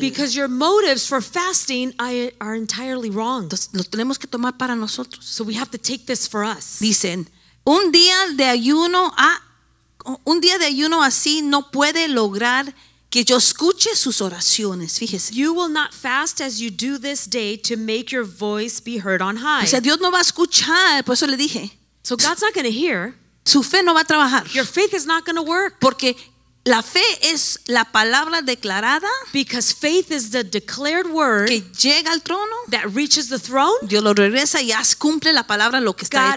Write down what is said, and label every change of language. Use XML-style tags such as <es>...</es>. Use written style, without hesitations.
<en>Because your motives for fasting are entirely wrong.</en> <es>Entonces, lo tenemos que tomar para nosotros.</es> <en>So we have to take this for us.</en> <es>Dicen, un día de ayuno así no puede lograr que yo escuche sus oraciones. Fíjese.</es> <en>You will not fast as you do this day to make your voice be heard on high.</en> <es>O sea, Dios no va a escuchar, por eso le dije.</es> <en>So God's not going to hear.</en> <es>Su fe no va a trabajar.</es> <en>Your faith is not going to work.</en> <es>Porque la fe es la palabra declarada.</es> <en>Because faith is the declared word</en> <es>que llega al trono.</es> <en>That reaches the throne.</en> <es>Dios lo regresa y haz cumple la palabra lo que está</es>